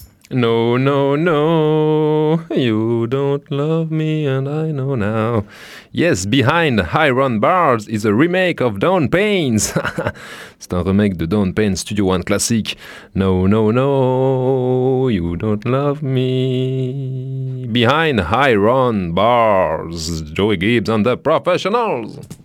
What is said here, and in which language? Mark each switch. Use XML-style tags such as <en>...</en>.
<en>No, no, no, you don't love me and I know now. Yes, Behind Iron Bars is a remake of Dawn Pains.</en> <fr>C'est un remake de Dawn Pains Studio One classique.</fr> <en>No, no, no, you don't love me. Behind Iron Bars, Joey Gibbs and the Professionals.</en>